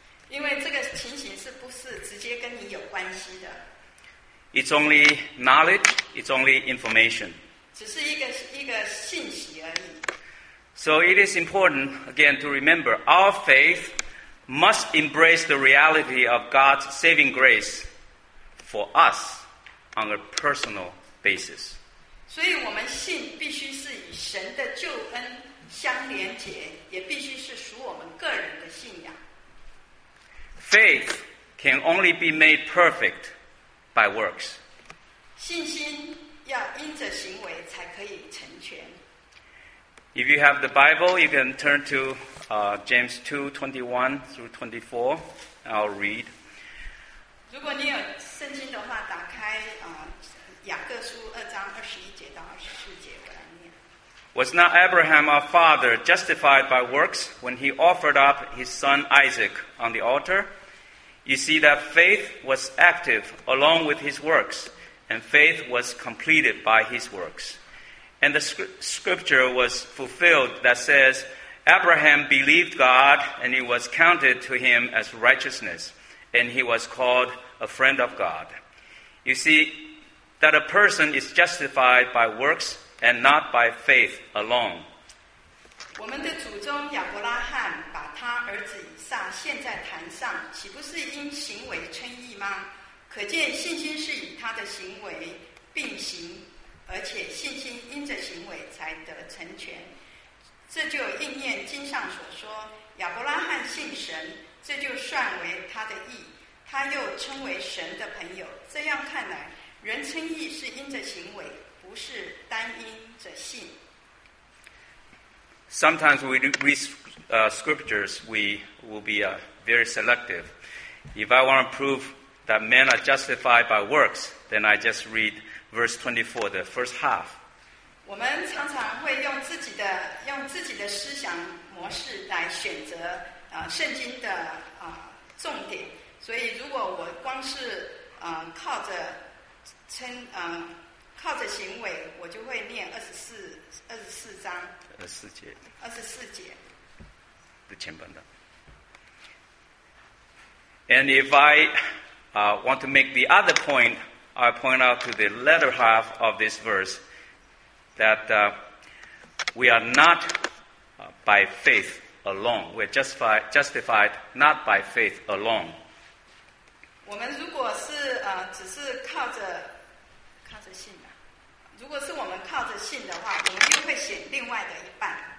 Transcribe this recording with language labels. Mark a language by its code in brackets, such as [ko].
[en] It's only knowledge, it's only information. So it is important, again, to remember our faith must embrace the reality of God's saving grace. For us, on a personal basis. [zh] 所以我们信必须是与神的救恩相连结，也必须是属我们个人的信仰。 [en] Faith can only be made perfect by works. [zh] 信心要因着行为才可以成全。 [en] If you have the Bible, you can turn to James 2:21 through 24. I'll read. [zh] 如果你有圣经的话，打开雅各书二章二十一节到二十四节，我来念。 [en] Was not Abraham our father justified by works when he offered up his son Isaac on the altar? You see that faith was active along with his works, and faith was completed by his works. And the scripture was fulfilled that says, Abraham believed God, and it was counted to him as righteousness. And he was called a friend of God. You see, that a person is justified by works and not by faith alone. [zh] 我们的祖宗亚伯拉罕把他儿子以撒献在坛上，岂不是因行为称义吗？可见信心是以他的行为并行，而且信心因着行为才得成全。这就应验经上所说，亚伯拉罕信神。这就算为他的义，他又称为神的朋友。这样看来，人称义是因着行为，不是单因着信。 [en] Sometimes we read scriptures, we will be very selective. If I want to prove that men are justified by works, then I just read verse 24, the first half. [zh] 我们常常会用自己的思想模式来选择。圣经的重点，所以如果我光是靠着行为，我就会念二十四章。二十四节。的前半段。 [en] And if I want to make the other point, I point out to the latter half of this verse that we are not by faith. Alone, we're justified not by faith alone. [zh] 我们如果是只是靠着信的，如果是我们靠着信的话，我们就会写另外的一半。